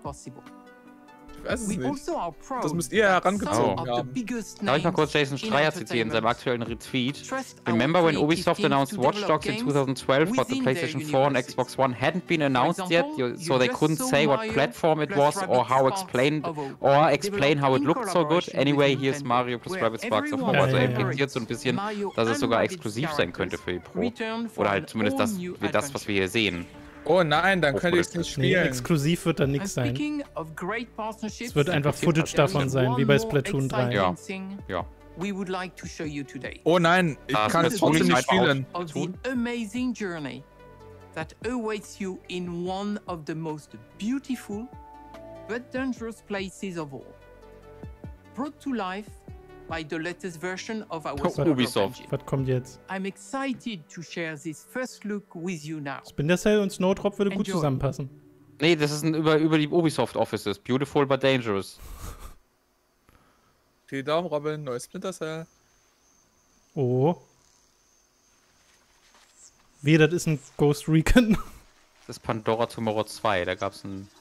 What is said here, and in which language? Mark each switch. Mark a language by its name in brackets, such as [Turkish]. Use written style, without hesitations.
[German] Ich weiß es nicht. Das müsst ihr herangezogen haben. Darf ich mal kurz Jason Schreier zitieren in seinem aktuellen Retweet? [English] Remember when Ubisoft announced Watch Dogs in 2012, but the PlayStation 4 and Xbox One hadn't been announced yet, so they couldn't say what platform it was or explain how it looked so good? Anyway, here's Mario plus Rabbit Sparks of Hope. [German] Also impliziert so ein bisschen, dass es sogar exklusiv sein könnte für die Pro. Oder halt zumindest das, was wir hier sehen. Oh nein, dann könnte ich es nicht spielen. Nee, exklusiv wird da nichts sein. Es wird einfach Footage davon sein, wie bei Splatoon 3. Ja. Oh nein, ich kann es trotzdem nicht spielen. [English] Of the amazing journey that awaits you in one of the most beautiful but dangerous places of all. Brought to life by the latest version of our Ubisoft. [German] Was kommt jetzt? [English] I'm excited to share this first look with you now. [German] Splinter und Snowdrop würde gut zusammenpassen. Nee, das ist ein über die Ubisoft Offices. [English] Beautiful but dangerous. [German] Vielen Daumen, Robin. Neues Splinter Cell. Oh. Wie, das ist ein Ghost Recon. Das ist Pandora Tomorrow 2. Da gab's ein.